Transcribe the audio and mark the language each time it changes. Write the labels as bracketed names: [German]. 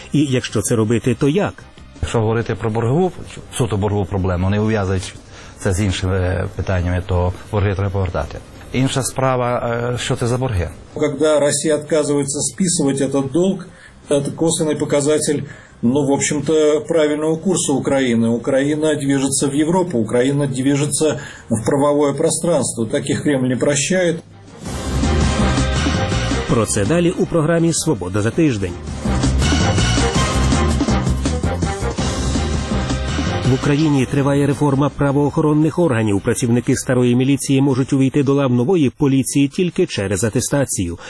[Ukrainian] І якщо це робити, то як? Якщо говорити про боргову, суто боргову проблему, не ув'язуючи це з іншими питаннями, то борги треба повертати. Інша справа, що це за борги? Коли Росія відмовляється списувати цей борг, це [Russian] косвенний показатель. Ну, в общем-то, правильного курса Украины. Украина движется в Европу, Украина движется в правовое пространство. Таких Кремль не прощает. [Ukrainian] Про це далі у програмі «Свобода за тиждень». В Україні триває реформа правоохоронних органів. Працівники старої міліції можуть увійти до лав нової поліції тільки через атестацію.